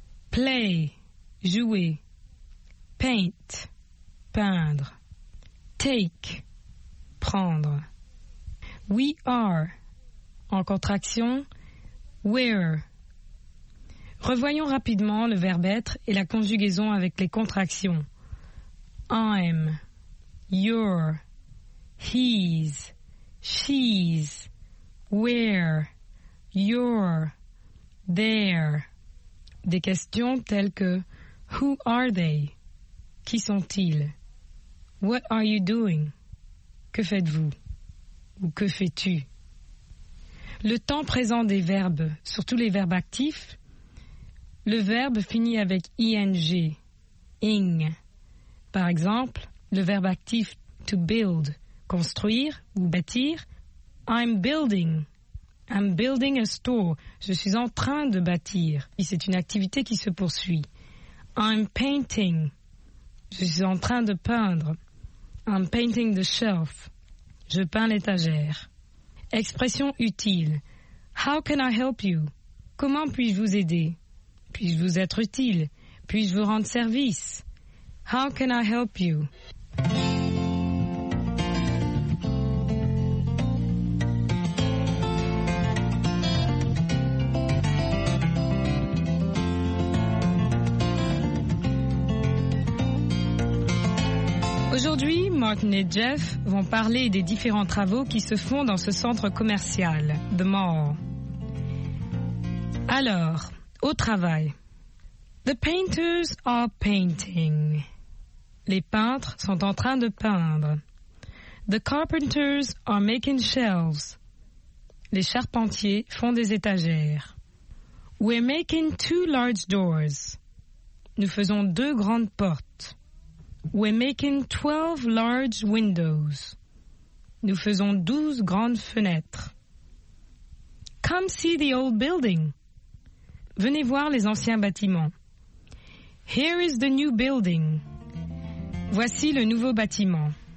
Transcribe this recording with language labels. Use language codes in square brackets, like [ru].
[fr] Play, jouer. Paint, peindre. [en] Take, prendre. We are, [fr] en contraction, [en] we're. [fr] Revoyons rapidement le verbe être et la conjugaison avec les contractions. [en] I'm, you're, he's, she's, where, you're, there. [fr] Des questions telles que [en] who are they? [fr] Qui sont-ils? [en] What are you doing? [fr] Que faites-vous? Ou que fais-tu? Le temps présent des verbes, surtout les verbes actifs, le verbe finit avec ing, ing. Par exemple, le verbe actif to build, construire ou bâtir, [en] I'm building a store, [fr] je suis en train de bâtir, et c'est une activité qui se poursuit. I'm painting, je suis en train de peindre, [en] I'm painting the shelf, [fr] je peins l'étagère. Expression utile, [en] how can I help you? [fr] Comment puis-je vous aider? Puis-je vous être utile? Puis-je vous rendre service? [en] How can I help you? [fr] Aujourd'hui, Martin et Jeff vont parler des différents travaux qui se font dans ce centre commercial, The Mall. Alors, au travail. [en] The painters are painting. [fr] Les peintres sont en train de peindre. [en] The carpenters are making shelves. [fr] Les charpentiers font des étagères. [en] We're making two large doors. [fr] Nous faisons deux grandes portes. [en] We're making 12 large windows. [fr] Nous faisons 12 grandes fenêtres. [en] Come see the old building. [fr] Venez voir les anciens bâtiments. [en] Here is the new building. [fr] Voici le nouveau bâtiment.